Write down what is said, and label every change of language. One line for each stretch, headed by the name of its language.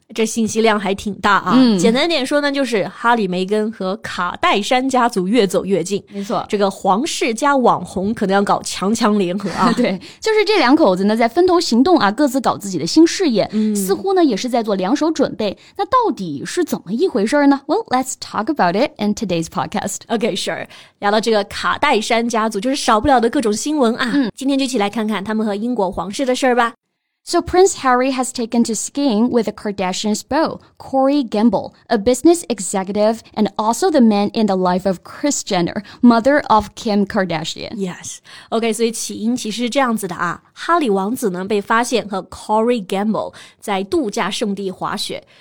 Chinese: 这信息量还挺大啊、简单点说呢，就是哈里梅根和卡戴珊家族越走越近。没错，这个皇室加网红可能要搞强强联合啊。对，就是这两口子呢在分头行动啊，各自搞自己的新事业、似乎呢也是在做两手准备。那到底是怎么一回事呢？
English: Well, let's talk about it in today's podcast. Okay, sure.
Chinese: 聊到这个卡戴珊家族，就是少不了的各种新闻啊、今天就一起来看看他们和英国皇室的事儿吧。
English: So Prince Harry has taken to skiing with the Kardashians' beau, Corey Gamble, a business executive and also the man in the life of Kris Jenner, mother of Kim Kardashian. Yes. Okay,
Chinese: 所以起因其实是这样子的啊。哈里王子呢被发现和 Corey Gamble 在度假胜地滑雪。